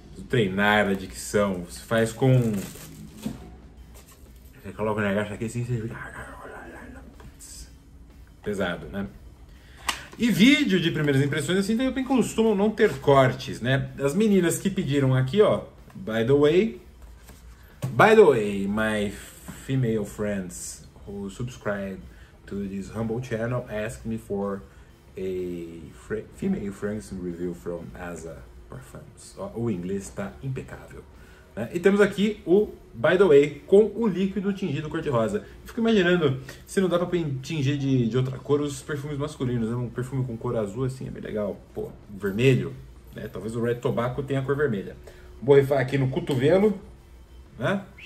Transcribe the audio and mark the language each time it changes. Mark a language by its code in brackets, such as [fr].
[pt] Treinar a dicção. Você faz com. Você coloca o negócio aqui assim, você fica. Pesado, né? E vídeo de primeiras impressões, assim, eu bem costumo não ter cortes, né? As meninas que pediram aqui, ó. [en] By the way, my female friends who subscribe to this humble channel ask me for a female fragrance review from Asa Parfums. [pt] O inglês está impecável. Né? E temos aqui o By the Way com o líquido tingido cor-de-rosa. Fico imaginando se não dá para tingir de outra cor os perfumes masculinos. Né? Um perfume com cor azul assim é bem legal. Pô, vermelho, né? Talvez o Red Tobacco tenha a cor vermelha. Vou rifar aqui no cotovelo, né?